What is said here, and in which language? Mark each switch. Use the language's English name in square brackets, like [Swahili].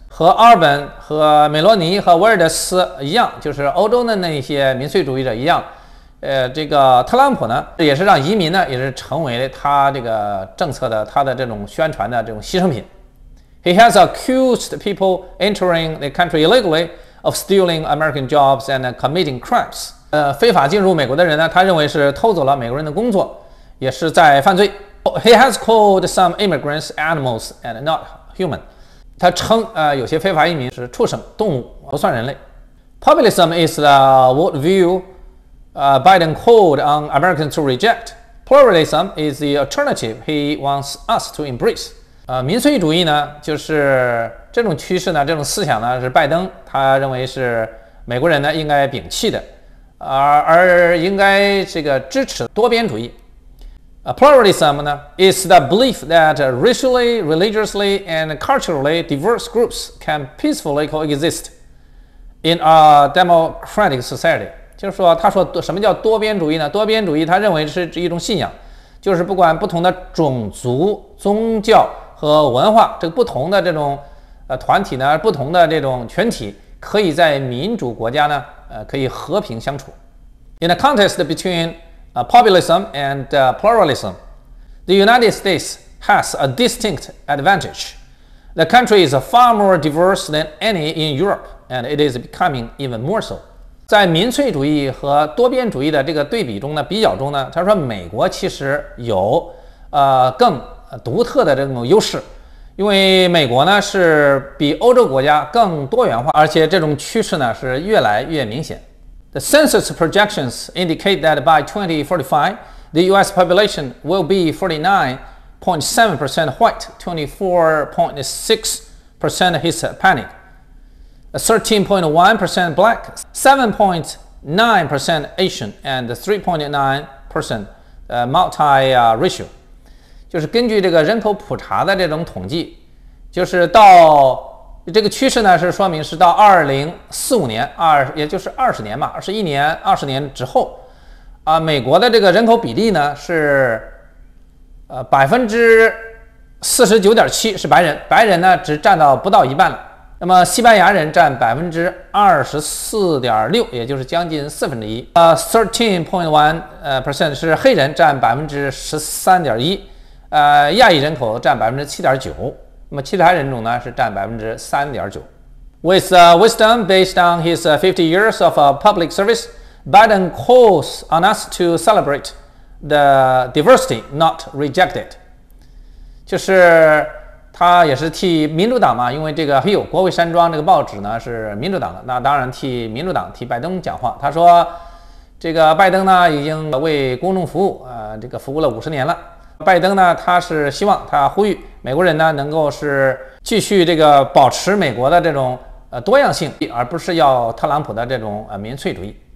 [Chinese] 和 Orban, 和 Meloni, 和 Wilders 一样，就是欧洲的那些民粹主义者一样，这个特朗普呢也是让移民呢也是成为他这个政策的他的这种宣传的这种牺牲品。 [English] He has accused people entering the country illegally of stealing American jobs and committing crimes. [Chinese] 非法进入美国的人呢，他认为是偷走了美国人的工作，也是在犯罪。 [English] He has called some immigrants animals and not human. [Chinese] 他称有些非法移民是畜生、动物，不算人类。 [English] Populism is the worldview Biden called on Americans to reject. Pluralism is the alternative he wants us to embrace. [Chinese] 民粹主义呢，就是这种趋势呢，这种思想呢，是拜登他认为是美国人呢应该摒弃的，而应该这个支持多边主义。 [English] Pluralism 呢 is the belief that racially, religiously, and culturally diverse groups can peacefully coexist in a democratic society. [Chinese] 就是说，他说什么叫多边主义呢？多边主义他认为是一种信仰，就是不管不同的种族、宗教和文化，这个不同的这种团体呢，不同的这种群体，可以在民主国家呢，可以和平相处。 [English] In a contest between populism and pluralism, the United States has a distinct advantage. The country is far more diverse than any in Europe, and it is becoming even more so. [Chinese] 在民粹主义和多边主义的这个对比中呢，比较中呢，他说美国其实有更独特的这种优势。因为美国呢是比欧洲国家更多元化，而且这种趋势呢是越来越明显。 [English] The census projections indicate that by 2045, the U.S. population will be 49.7% white, 24.6% Hispanic, 13.1% black, 7.9% Asian, and 3.9% multiracial. [Chinese] 就是根据这个人口普查的这种统计，就是到这个趋势呢，是说明是到2045年，也就是20年吧，21年、20年之后，美国的这个人口比例呢是，49.7%是白人，白人呢只占到不到一半了。那么西班牙人占24.6%，也就是将近四分之一。 13.1% 是黑人占13.1%，亚裔人口占7.9%。那么其他人种呢是占3.9%。 [English] With wisdom based on his 50 years of public service, Biden calls on us to celebrate the diversity, not reject it. [Chinese] 就是他也是替民主党嘛，因为这个哎呦，国会山庄这个报纸呢是民主党的，那当然替民主党替拜登讲话。他说这个拜登呢已经为公众服务，这个服务了50年了。拜登呢，他是希望他呼吁美国人呢，能够是继续这个保持美国的这种多样性，而不是要特朗普的这种民粹主义。